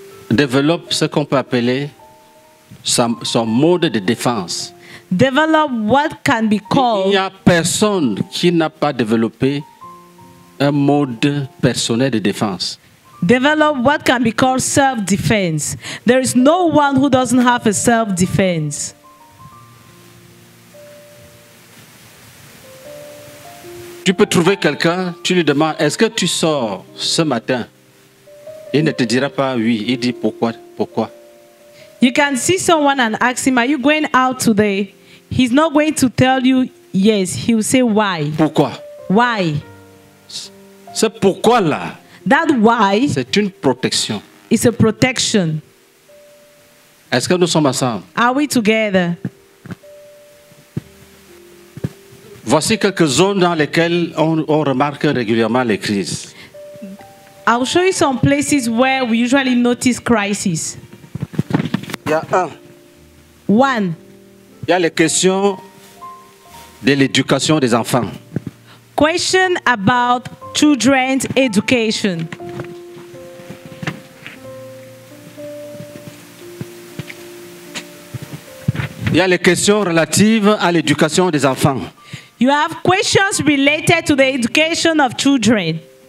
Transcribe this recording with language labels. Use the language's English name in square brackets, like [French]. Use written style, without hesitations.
[French] Développe ce qu'on peut appeler son mode de défense. [English] Develop what can be called. [French] Il n'y a personne qui n'a pas développé un mode personnel de défense. [English] Develop what can be called self-defense. There is no one who doesn't have a self-defense. [French] Tu peux trouver quelqu'un, tu lui demandes, est-ce que tu sors ce matin? Il ne te dira pas oui. Il dit pourquoi? [English] You can see someone and ask him, are you going out today? He's not going to tell you yes. He will say why. [French] Pourquoi? [English] Why? [French] C'est pourquoi là. [English] That why. [French] C'est une protection. [English] It's a protection. [French] Est-ce que nous sommes ensemble? [English] Are we together? [French] Voici quelques zones dans lesquelles on remarque régulièrement les crises. [English] I'll show you some places where we usually notice crises. [French] Il y a un. [English] One. [French] Il y a les questions de l'éducation des enfants. [English] Question about children's education. [French] Il y a les questions relatives à l'éducation des enfants. [English] You have questions related to the education of children.